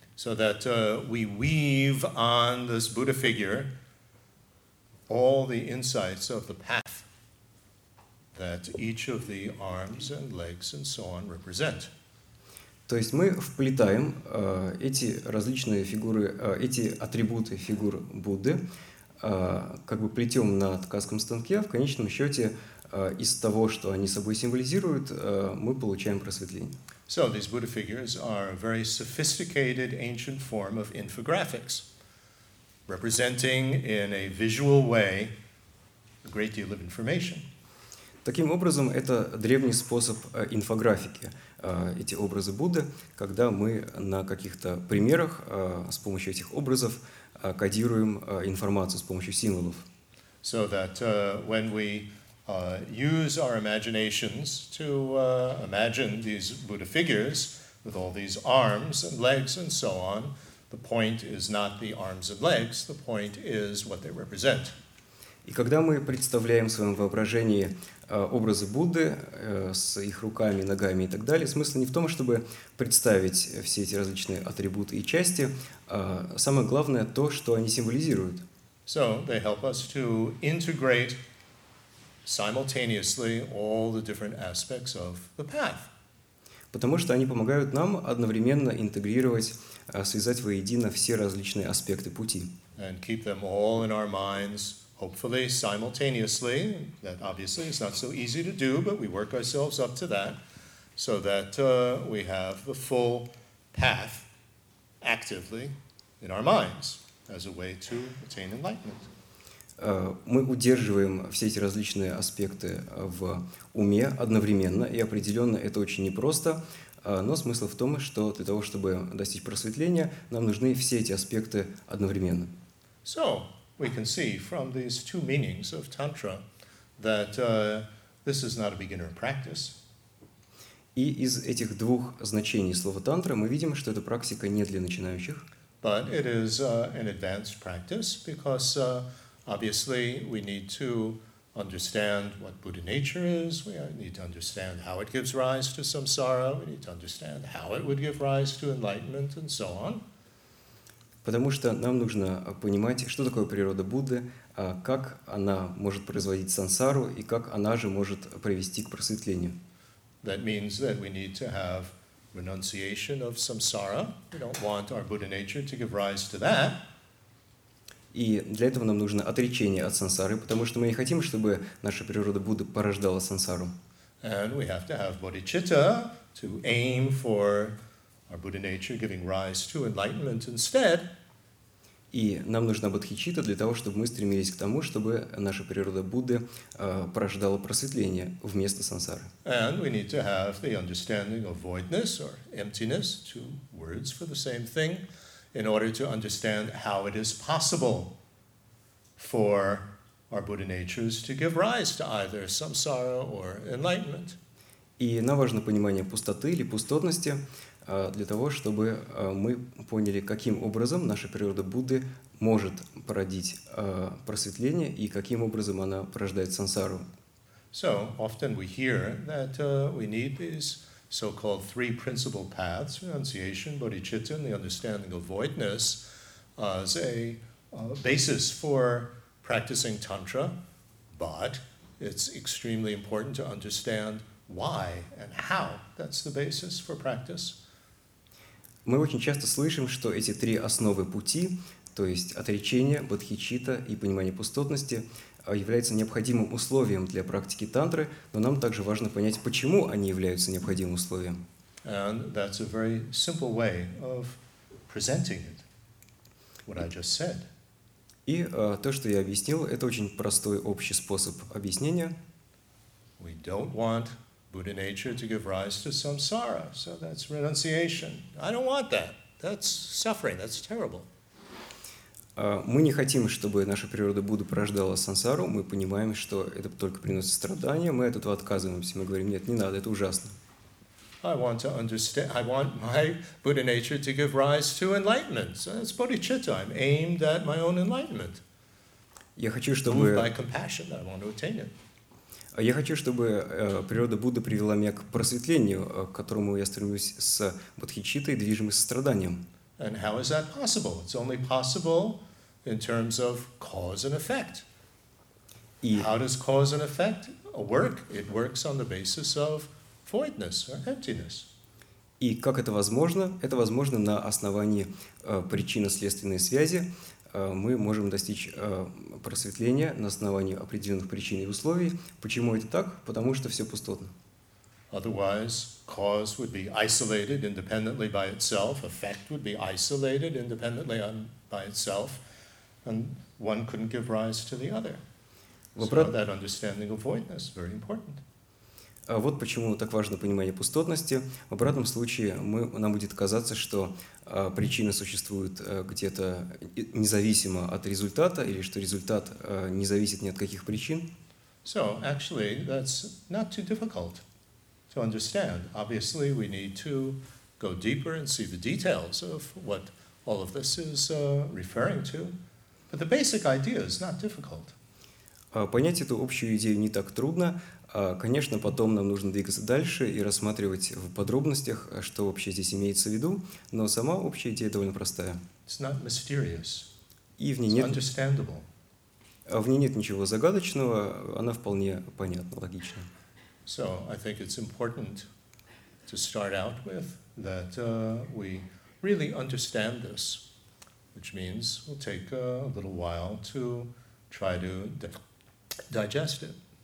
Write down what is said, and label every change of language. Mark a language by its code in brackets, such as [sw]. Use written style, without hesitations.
[en] So that we weave on this Buddha figure all the insights of the path that each of the arms and legs and so on represent. [ru] То есть мы вплетаем эти различные фигуры, эти атрибуты фигур Будды, как бы плетем на ткацком станке, в конечном счете из того, что они собой символизируют, мы получаем просветление. [en] So these Buddha figures are a very sophisticated ancient form of infographics, representing in a visual way a great deal of information. [ru] Таким образом, это древний способ инфографики, эти образы Будды, когда мы на каких-то примерах с помощью этих образов кодируем информацию с помощью символов. [en] So that when we use our imaginations to imagine these Buddha figures with all these arms and legs and so on, the point is not the arms and legs, the point is what they represent. [ru] И когда мы представляем в своем воображении образы Будды с их руками, ногами и так далее, смысл не в том, чтобы представить все эти различные атрибуты и части, самое главное то, что они символизируют. [en] So they help us to integrate simultaneously all the different aspects of the path. [ru] Потому что они помогают нам одновременно интегрировать, связать воедино все различные аспекты пути. [en] And keep them all in our minds. Hopefully, simultaneously, that obviously is not so easy to do, but we work ourselves up to that, so that we have the full path actively in our minds as a way to attain enlightenment. [ru] Мы удерживаем все эти различные аспекты в уме одновременно, и определенно это очень непросто, но смысл в том, что для того, чтобы достичь просветления, нам нужны все эти аспекты одновременно. [en] So, we can see from these two meanings of Tantra that this is not a beginner practice. [ru] И из этих двух значений слова тантра мы видим, что эта практика не для начинающих. [en] But it is an advanced practice because obviously we need to understand what Buddha nature is, we need to understand how it gives rise to samsara, we need to understand how it would give rise to enlightenment and so on. [ru] Потому что нам нужно понимать, что такое природа Будды, как она может производить сансару и как она же может привести к просветлению. [en] That means that we need to have renunciation of samsara. We don't want our Buddha nature to give rise to that. [ru] И для этого нам нужно отречение от сансары, потому что мы не хотим, чтобы наша природа Будды порождала сансару. [en] And we have to have bodhicitta to aim for our Buddha nature giving rise to enlightenment instead. [ru] И нам нужна бодхичитта для того, чтобы мы стремились к тому, чтобы наша природа Будды порождала просветление вместо сансары. [en] And we need to have the understanding of voidness or emptiness, two words for the same thing, in order to understand how it is possible for our Buddha natures to give rise to either samsara or enlightenment. [ru] И нам важно понимание пустоты или пустотности, для того, чтобы мы поняли, каким образом наша природа Будды может породить просветление и каким образом она порождает сансару. [en] So, often we hear that we need these so-called three principal paths, renunciation, bodhicitta, and the understanding of voidness, as a basis for practicing tantra, but it's extremely important to understand why and how that's the basis for practice. [ru] Мы очень часто слышим, что эти три основы пути, то есть отречение, бодхичитта и понимание пустотности, являются необходимым условием для практики тантры, но нам также важно понять, почему они являются необходимым условием. [en] And that's a very simple way of presenting it, what I just said. [ru] И то, что я объяснил, это очень простой общий способ объяснения. [en] We don't want Buddha nature to give rise to samsara. So that's renunciation. I don't want that. That's suffering. That's terrible. [ru] Мы не хотим, чтобы наша природа Будды порождала сансару. Мы понимаем, что это только приносит страдания. Мы от этого отказываемся. Мы говорим, нет, не надо, это ужасно. [en] I want to understand. I want my Buddha nature to give rise to enlightenment. So that's bodhicitta. I'm aimed at my own enlightenment. [ru] Я хочу, чтобы... [en] Moved by compassion, I want to attain it. [ru] Я хочу, чтобы природа Будды привела меня к просветлению, к которому я стремлюсь с бодхичиттой, движимой состраданием. [en] And how is that possible? It's only possible in terms of cause and effect. [ru] И... [en] How does cause and effect work? It works on the basis of voidness or emptiness. [ru] И как это возможно? Это возможно на основании причинно-следственной связи. Мы можем достичь просветления на основании определенных причин и условий. Почему это так? Потому что все пустотно. [en] Otherwise, cause would be isolated independently by itself, effect would be isolated independently by itself, and one couldn't give rise to the other. So that understanding of voidness is very important. [ru] Вот почему так важно понимание пустотности. В обратном случае нам будет казаться, что причина существует где-то независимо от результата, или что результат не зависит ни от каких причин. [en] So, actually, that's not too difficult to understand. Obviously, we need to go deeper and see the details of what all of this is referring to. But the basic idea is not difficult. [ru] Понять эту общую идею не так трудно. Конечно, потом нам нужно двигаться дальше и рассматривать в подробностях, что вообще здесь имеется в виду, но сама общая идея довольно простая. [en] It's not mysterious. [ru] И в ней нет... [en] It's understandable. [ru] В ней нет ничего загадочного, она вполне понятна, логична. [en] So, I think it's important to start out with that we really understand this, which means we'll take a little while to try to digest it.